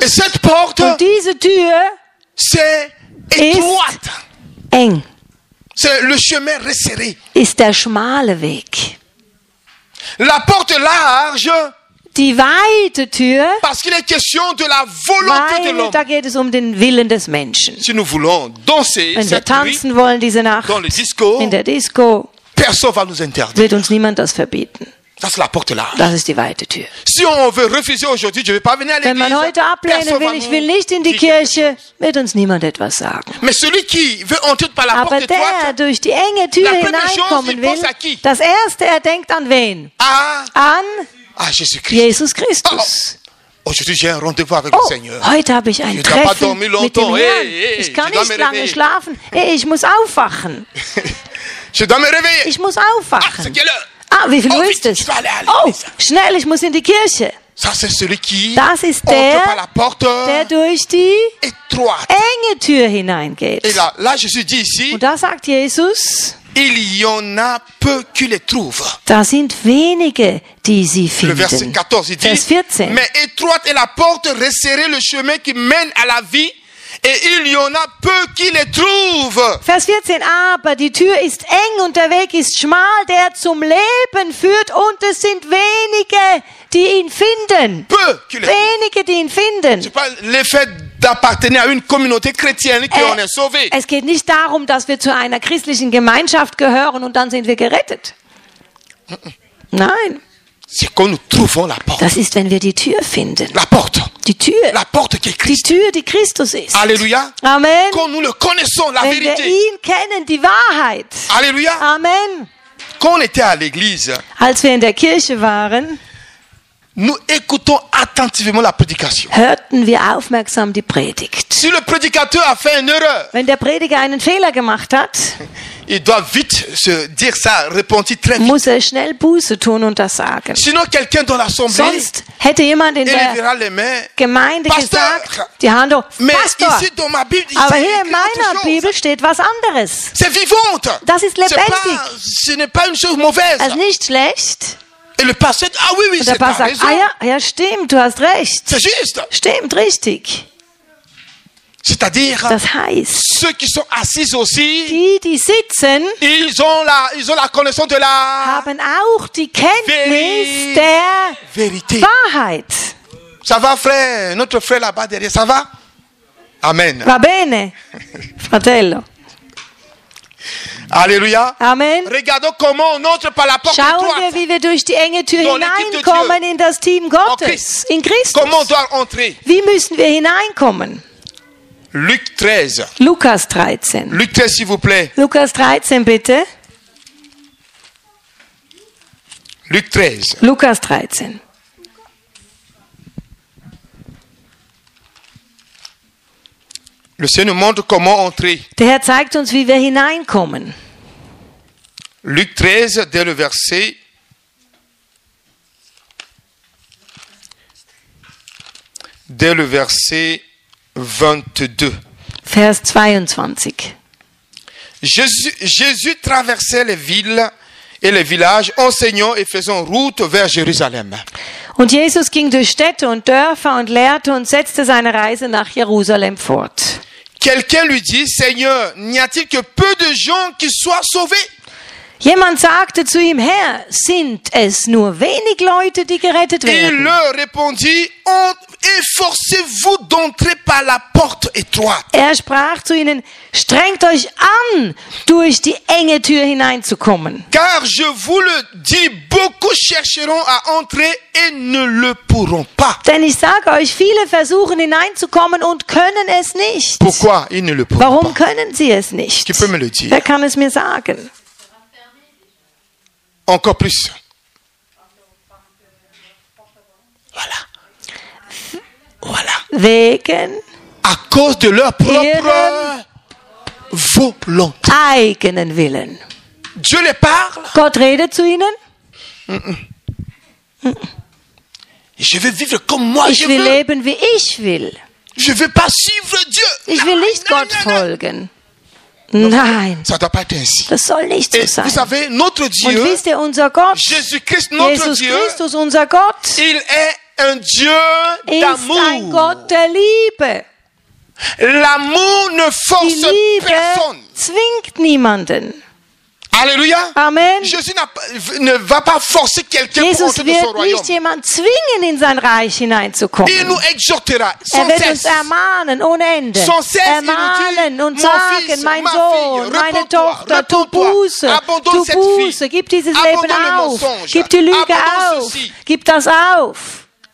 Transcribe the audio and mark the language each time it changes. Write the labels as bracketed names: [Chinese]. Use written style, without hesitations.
[French] Et cette porte, [German] und diese Tür, [French] c'est étroite. [German] Eng. [French] C'est le chemin resserré. [German] Ist der schmale Weg. [French] La porte large. [German] Die weite Tür. [French] Parce qu'il est question de la volonté [German] weil [French] de l'homme. [German] Da geht es um den Willen des Menschen. [French] Si nous voulons danser, [German] wenn wir tanzen wollen diese Nacht, [French] dans le disco, [German] in der Disco, [French] personne va nous interdire. [German] Wird uns niemand das verbieten. Das ist [French] la porte large. [German] Das ist die weite Tür. [French] Si on veut refuser aujourd'hui, je vais pas venir à l'église. [German] Wenn man heute ablehnen will, ich will nicht in die Kirche, wird uns niemand etwas sagen. [French] Mais celui qui veut entrer par la [German] aber [French] porte [German] der, [French] droite, [German] durch die enge Tür hineinkommen will, das Erste, er denkt an wen? An Jesus Christ. Jesus Christus. [French] Oh, aujourd'hui j'ai un rendez-vous avec oh, le Seigneur. [German] Heute habe ich ein Treffen mit dem Herrn. Ich kann nicht lange schlafen. Ich muss aufwachen. [French] Je dois me réveiller. [German] Ich muss aufwachen. [French] Ah, c'est [German] wie viel ist es? Oh, schnell, ich muss in die Kirche. [French] Ça, c'est celui qui [German] das ist der, [French] la porte [German] der durch die [French] étroite. [German] Enge Tür hineingeht. [French] Et là, Jésus dit ici, [German] und da sagt Jesus, [French] il y en a peu qui les trouvent. [German] Da sind wenige, die sie finden. [French] Le verset 14, il dit, [German] Vers 14. [French] Mais étroite est la porte resserrée, le chemin qui mène à la vie. Et il y en a peu qui les trouvent. [German] Vers 14, aber die Tür ist eng und der Weg ist schmal, der zum Leben führt und es sind wenige, die ihn finden. [French] Peu qui les [German] wenige, die ihn finden. [French] C'est pas l'effet d'appartenir à une communauté chrétienne qui en est sauvé. [German] Es geht nicht darum, dass wir zu einer christlichen Gemeinschaft gehören und dann sind wir gerettet. Nein. [French] C'est quand nous trouvons la porte. [German] Das ist, wenn wir die Tür finden. [French] La porte. [German] Die Tür. [French] La porte qui est Christ. [German] Die Tür, die Christus ist. Alléluia. Amen. [French] Quand nous le connaissons, la [German] wenn [French] vérité. [German] Wir ihn kennen, die Wahrheit. Alléluia. Amen. [French] Quand on était à l'église, [German] als wir in der Kirche waren, [French] nous écoutons attentivement la prédication. [German] Hörten wir aufmerksam die Predigt. [French] Si le prédicateur a fait une erreur, [German] wenn der Prediger einen Fehler gemacht hat, [French] il doit vite se dire ça, repentir très vite. [German] Muss er schnell Buße tun und das sagen. [French] Sinon quelqu'un dans l'assemblée, [German] sonst hätte jemand in der Gemeinde gesagt, die Hand hoch, Pastor, [French] ici, dans ma Bible, [German] aber hier in meiner Bibel steht was anderes. [French] C'est vivant. [German] Das ist lebendig. [French] Ce n'est pas une chose mauvaise. [German] Also nicht schlecht. [French] Et le pasteur, ah oui, oui, [German] und der Pastor sagt, ja, stimmt, du hast recht. [French] C'est juste. [German] Stimmt, richtig. [French] C'est-à-dire, [German] das heißt, [French] ceux qui sont assis aussi, [German] die sitzen, [French] ils ont la connaissance de la [German] haben auch die Kenntnis der [French] Vérité. [German] Wahrheit. [French] Ça va, frère? Notre frère là-bas derrière, ça va? Amen. [Italian] Va bene, fratello. Alléluia. Amen. [French] Regardons comment on entre par la porte [German] schauen [French] étroite. [German] Wir, wie wir durch die enge Tür hineinkommen in das Team Gottes, [French] Christ. [German] In Christus. [French] Comment on doit entrer? [German] Wie müssen wir hineinkommen? [French] Luc 13. [German] Lukas 13. [French] Luc 13, s'il vous plaît. [German] Lukas 13, bitte. [French] Luc 13. [German] Lukas 13. [French] Le Seigneur montre comment entrer. [German] Der Herr zeigt uns, wie wir hineinkommen. [French] Luc 13, dès le verset 22. [German] Vers 22. [French] Jésus traversait les villes et les villages, enseignant et faisant route vers Jérusalem. [German] Und Jesus ging durch Städte und Dörfer und lehrte und setzte seine Reise nach Jerusalem fort. [French] Quelqu'un lui dit, Seigneur, n'y a-t-il que peu de gens qui soient sauvés? [German] Jemand sagte zu ihm, Herr, sind es nur wenig Leute, die gerettet werden? [French] Il leur répondit, efforcez-vous d'entrer par la porte étroite. [German] Er sprach zu ihnen, strengt euch an, durch die enge Tür hineinzukommen. [French] Car je vous le dis, beaucoup chercheront à entrer et ne le pourront pas. [German] Denn ich sage euch, viele versuchen hineinzukommen und können es nicht. [French] Pourquoi ils ne le pourront [German] Warum [French] pas? [German] Können sie es nicht? [French] Qui peut me le dire? [German] Wer kann es mir sagen? [French] Encore plus. Voilà. voilà. [German] Wegen [French] à cause de leur propre volonté. [German] Eigenen Willen. [French] Dieu les parle. [German] Gott redet zu ihnen. [French] Je veux vivre comme moi [German] ich [French] je [German] will [French] veux. [German] Leben, wie ich will. [French] Je veux pas suivre Dieu. [German] Ich will nicht nein, Gott nein, folgen. Nein. [French] Ça doit pas être ainsi. [German] Das soll nicht so [French] et [German] sein. [French] Vous savez, notre Dieu, [German] und wisst ihr, unser Gott, [French] Jesus, Christ, notre [German] Jesus [French] Dieu, [German] Christus, unser Gott, [French] il est un Dieu d'amour. [German] Ist ein Gott der Liebe. [French] L'amour ne force [German] Die Liebe [French] personne. [German] Zwingt niemanden. Alléluia. Amen. [French] Jésus ne va pas forcer quelqu'un [German] Jesus [French] pour entrer dans son [German] nicht [French] royaume. [German] Jemand zwingen in sein Reich hineinzukommen. [French] Il nous exhortera sans [German] er wird uns ermahnen ohne Ende. [French] Sans cesse, [German] ermahnen [French] dit, [German] und sagen, mein Sohn, meine Tochter, tu Buße, tu Buße, gib dieses Leben auf, gib die Lüge auf, gib das auf.